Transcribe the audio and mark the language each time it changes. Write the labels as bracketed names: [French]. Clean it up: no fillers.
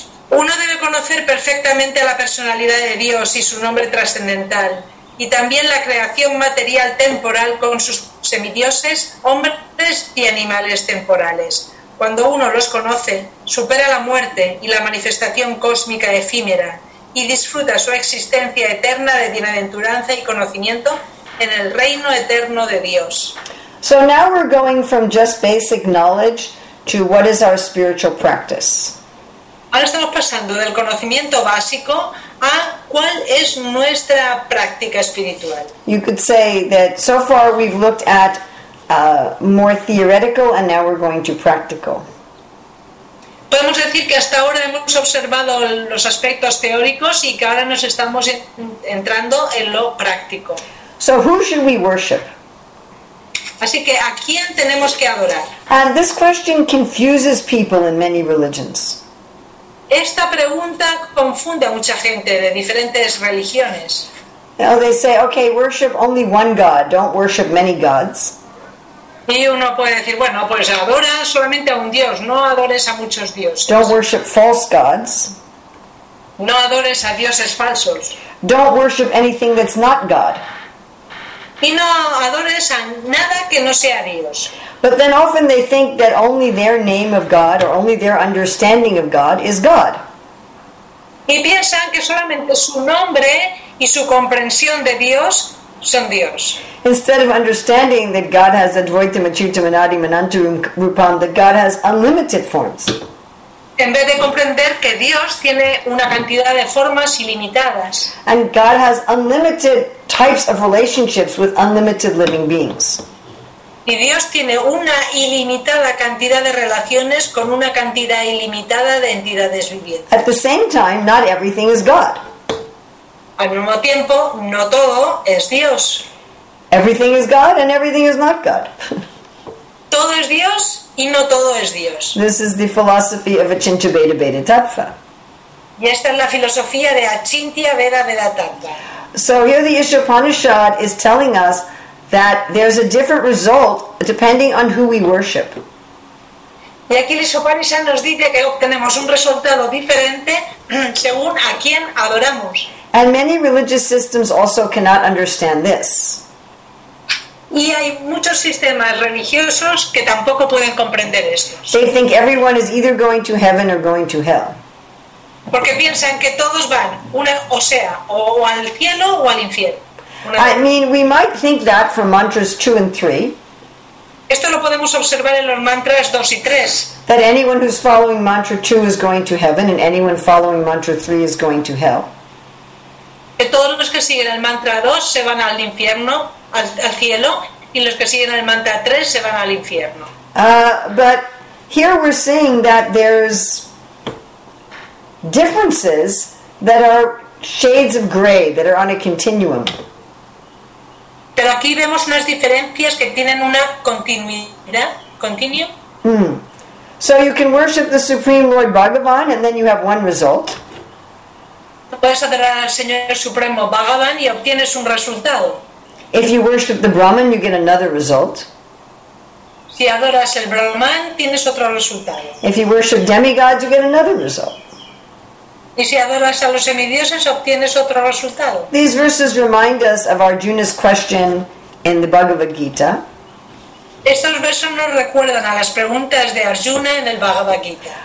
[Spanish] Uno debe conocer perfectamente la personalidad de Dios y su nombre trascendental, y también la creación material temporal con sus semidioses, hombres y animales temporales. Cuando uno los conoce, supera la muerte y la manifestación cósmica efímera y disfruta su existencia eterna de bienaventuranza y conocimiento en el reino eterno de Dios. [English] So now we're going from just basic knowledge to what is our spiritual practice. [Spanish] Ahora estamos pasando del conocimiento básico a cuál es nuestra práctica espiritual. [English] You could say that so far we've looked at more theoretical and now we're going to practical. [Spanish] Podemos decir que hasta ahora hemos observado los aspectos teóricos y que ahora nos estamos entrando en lo práctico. [English] So who should we worship? [Spanish] Así que, ¿a quién tenemos que adorar? [English] And this question confuses people in many religions. [Spanish] Esta pregunta confunde a mucha gente de diferentes religiones. [English] Now they say, okay, worship only one God, don't worship many gods. [Spanish] Y uno puede decir, bueno, pues adora solamente a un Dios, no adores a muchos dioses. [English] Don't worship false gods. [Spanish] No adores a dioses falsos. [English] Don't worship anything that's not God. [Spanish] Y no adores a nada que no sea Dios. [English] But then often they think that only their name of God or only their understanding of God is God. [Spanish] Y piensan que solamente su nombre y su comprensión de Dios son Dios. [English] Instead of understanding that God has [Sanskrit] Advaitam, Achyutam, Anadi, Manantam, Rupam, [English] that God has unlimited forms. [Spanish] En vez de comprender que Dios tiene una cantidad de formas ilimitadas. [English] And God has unlimited types of relationships with unlimited living beings. [Spanish] Y Dios tiene una ilimitada cantidad de relaciones con una cantidad ilimitada de entidades vivientes. [English] At the same time, not everything is God. [Spanish] Al mismo tiempo, no todo es Dios. [English] Everything is God and everything is not God. [Spanish] Todo es Dios y no todo es Dios. [English] This is the philosophy of Achintya Veda Vedatattva. [Spanish] Y esta es la filosofía de Achintya Veda Vedatattva. [English] So here the Isha Upanishad is telling us that there's a different result depending on who we worship. [Spanish] Y aquí el Upanishad nos dice que obtenemos un resultado diferente según a quién adoramos. [English] And many religious systems also cannot understand this. [Spanish] Y hay muchos sistemas religiosos que tampoco pueden comprender esto. [English] They think everyone is either going to heaven or going to hell. [Spanish] Porque piensan que todos van, o al cielo o al infierno. [English] I mean, we might think that for mantras 2 and 3. [Spanish] Esto lo podemos observar en los mantras 2 y 3. [English] That anyone who's following mantra 2 is going to heaven and anyone following mantra 3 is going to hell. [Spanish] Que todos los que siguen el mantra 2 se van al infierno, al cielo, y los que siguen el mantra 3 se van al infierno. [English] But here we're seeing that there's differences that are shades of gray, that are on a continuum. [Spanish] Pero aquí vemos unas diferencias que tienen una continuidad, continuum. [English] So you can worship the Supreme Lord Bhagavan and then you have one result. [Spanish] Puedes adorar al Señor Supremo Bhagavan y obtienes un resultado. [English] If you worship the Brahman, you get another result. [Spanish] Si adoras el Brahman, tienes otro resultado. [English] If you worship demigods, you get another result. [Spanish] Y si adoras a los semidioses, obtienes otro resultado. [English] These verses remind us of Arjuna's question in the Bhagavad Gita. [Spanish] Estos versos nos recuerdan a las preguntas de Arjuna en el Bhagavad Gita.